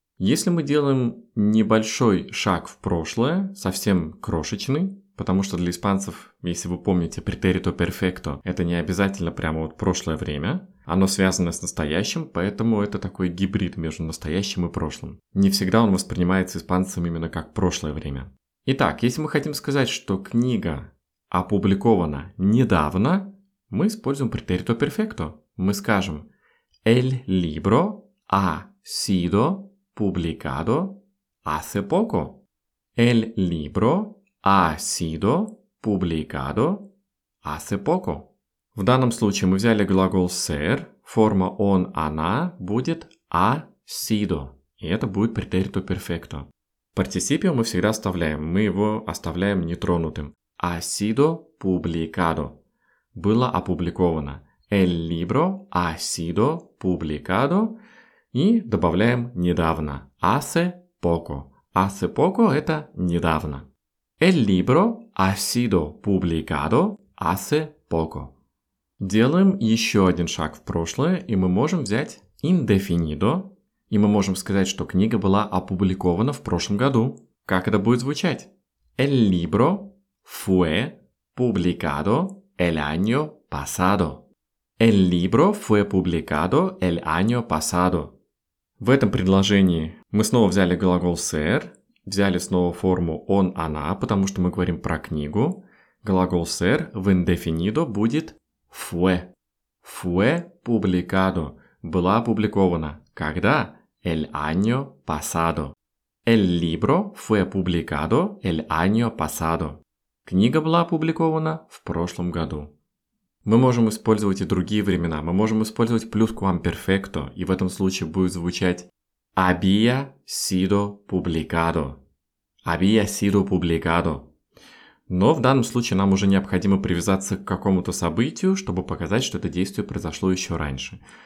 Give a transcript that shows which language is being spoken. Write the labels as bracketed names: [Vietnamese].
[Russian] Если мы делаем небольшой шаг в прошлое, совсем крошечный, потому что для испанцев, если вы помните, претерито перфекто, это не обязательно прямо вот прошлое время, оно связано с настоящим, поэтому это такой гибрид между настоящим и прошлым. Не всегда он воспринимается испанцем именно как прошлое время. Итак, если мы хотим сказать, что книга опубликована недавно, мы используем претерито перфекто. [Spanish] Мы скажем «El libro ha sido publicado hace poco». «El libro ha sido publicado hace poco». [Russian] В данном случае мы взяли глагол ser, форма он, она будет [Spanish] ha sido, [Russian] и это будет претерито перфекто. Партисипио мы всегда оставляем, мы его оставляем нетронутым. [Spanish] Ha sido publicado. [Russian] Было опубликовано. [Spanish] El libro ha sido publicado. [Russian] И добавляем недавно. [Spanish] Hace poco. Hace poco [Russian] – это недавно. [Spanish] El libro ha sido publicado hace poco. [Russian] Делаем еще один шаг в прошлое, и мы можем взять indefinido, и мы можем сказать, что книга была опубликована в прошлом году. Как это будет звучать? [Spanish] El libro fue publicado el año pasado. El libro fue publicado el año pasado. [Russian] В этом предложении мы снова взяли глагол ser, взяли снова форму он, она, потому что мы говорим про книгу. Глагол ser в indefinido будет fue. [Spanish] Fue publicado. [Russian] Была опубликована. Когда? [Spanish] El año pasado. El libro fue publicado el año pasado. [Russian] Книга была опубликована в прошлом году. Мы можем использовать и другие времена. Мы можем использовать плюсквамперфекто. И в этом случае будет звучать [Spanish] había sido publicado. Había sido publicado. [Russian] Но в данном случае нам уже необходимо привязаться к какому-то событию, чтобы показать, что это действие произошло еще раньше.